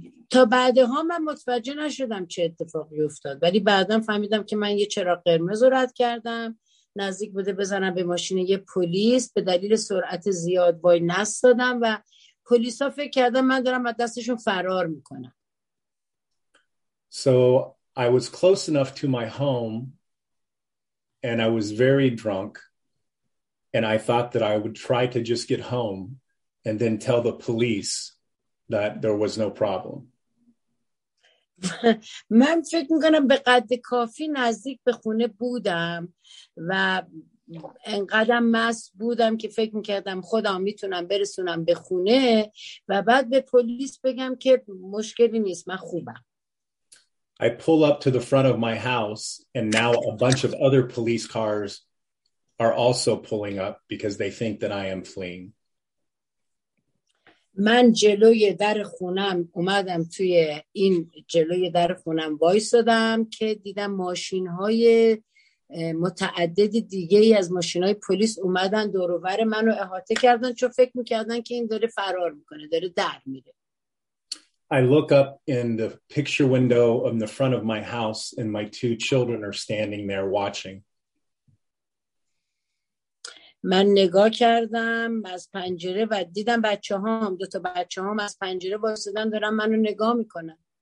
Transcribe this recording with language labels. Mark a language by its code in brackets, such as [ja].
[fa] تا بعدها من متوجه نشدم چه اتفاقی افتاد. ولی بعدا فهمیدم که من یه چراغ قرمز رو رد کردم. نزدیک بوده بزنم به ماشین یه پلیس به دلیل سرعت زیاد وای نستادم و پلیسا فکر کردن من دارم از دستشون فرار میکنم. [en] So I was close enough to my home and I was very drunk. And I thought that I would try to just get home and then tell the police that there was no problem. [fa] من فکر میکنم به قد کافی نزدیک به خونه بودم و انقدر مست بودم که فکر میکردم خودم میتونم برسونم به خونه و بعد به پلیس بگم که مشکلی نیست من خوبم. [en] I pull up to the front of my house and now a bunch of other police cars are also pulling up because they think that I am fleeing. [fa] من جلوی در خونم اومدم توی این جلوی در خونم وایسادم که دیدم ماشین‌های متعدد دیگه‌ای از ماشین‌های پلیس اومدن دور و بر منو احاطه کردن چون فکر می‌کردن که این داره فرار می‌کنه داره در میره. [en] I look up in the picture window in the front of my house and my two children are standing there watching. [fa] من نگاه کردم از پنجره و دیدم بچه‌هام دو تا بچه‌هام از پنجره وایسادن دارن منو نگاه میکنن.